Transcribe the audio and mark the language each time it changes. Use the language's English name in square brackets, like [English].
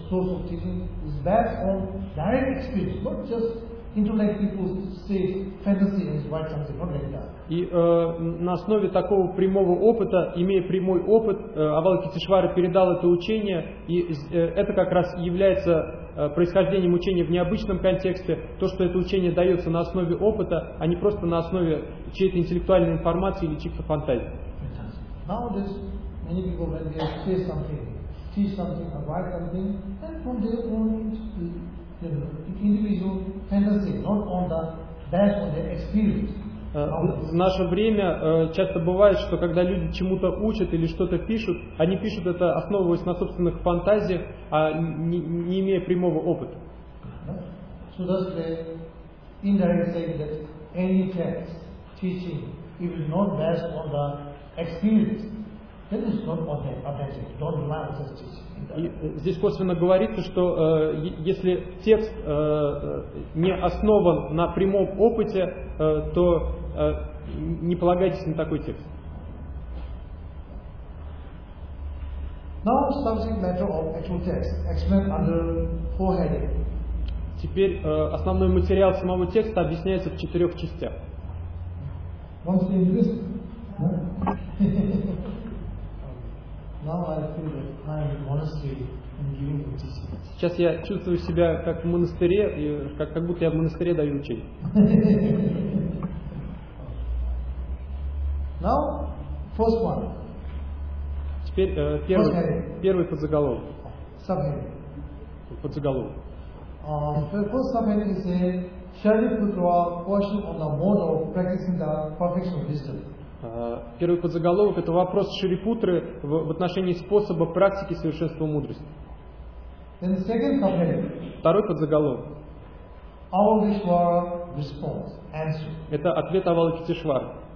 [English] Source of teaching is based on direct experience, not just intellect people say fantasy and write something, not like that. [Russian] И на основе такого прямого опыта, имея прямой опыт, Авалокитешвара передал это учение, и это как раз является происхождением учения в необычном контексте, то, что это учение дается на основе опыта, а не просто на основе чьей-то интеллектуальной информации или чьих-то фантазий. [English] Nowadays, many people, when they say something, teach something, write something, and from their own individual fantasy, not on the best of their experience. [Russian] В наше время часто бывает, что когда люди чему-то учат или что-то пишут, они пишут это, основываясь на собственных фантазиях, а не имея прямого опыта. [English] So that's the indirect saying that any text, teaching, if it's not based on the experience, then it's not authentic. Don't rely on such teaching. [Russian] И здесь косвенно говорится, что если текст не основан на прямом опыте, то не полагайтесь на такой текст. [English] Now, subject matter of actual text, explained under four headings. [Russian] Теперь основной материал самого текста объясняется в четырех частях. [English] Want to introduce? Now I feel that I'm in a monastery and giving teaching. [Russian] Сейчас я чувствую себя как в монастыре, и как будто я в монастыре даю учение. [English] Now, first one. [Russian] Теперь первый подзаголовок. [English] Subheading. [Russian] Подзаголовок. [English] First subheading is a Shariputra question on the mode of practicing the perfection of wisdom. [Russian] Первый подзаголовок – это вопрос Шарипутры в отношении способа практики совершенства мудрости. [English] Then second subheading. [Russian] Второй подзаголовок. [English] Avalokiteshvara response, answer. [Russian] Это ответ Авалокитешвары.